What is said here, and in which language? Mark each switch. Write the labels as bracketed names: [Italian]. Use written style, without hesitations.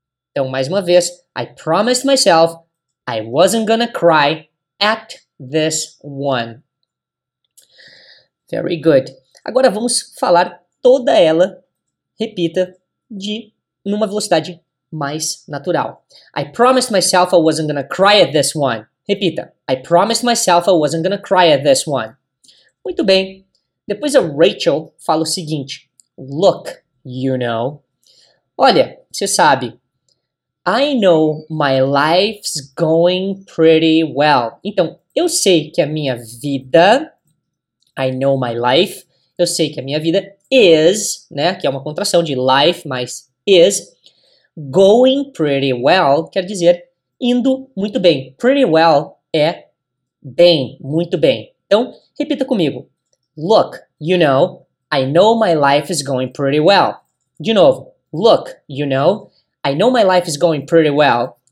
[Portuguese] Então, mais uma vez, [English] I promised myself I wasn't gonna cry at this one. Very good. [Portuguese] Agora vamos falar toda ela, repita, de numa velocidade mais natural. [English] I promised myself I wasn't gonna cry at this one. [Portuguese] Repita. [English] I promised myself I wasn't gonna cry at this one. [Portuguese] Muito bem. Depois a Rachel fala o seguinte. [English] Look, you know. [Portuguese] Olha, você sabe. [English] I know my life's going pretty well. [Portuguese] Então, eu sei que a minha vida, [English] I know my life, [Portuguese] eu sei que a minha vida is, né, que é uma contração de life, mas is, [English] going pretty well, [Portuguese] quer dizer, indo muito bem. [English] Pretty well [Portuguese] é bem, muito bem. Então, repita comigo. [English] Look, you know, I know my life is going pretty well. [Portuguese] De novo, [English] look, you know, I know my life is going pretty well.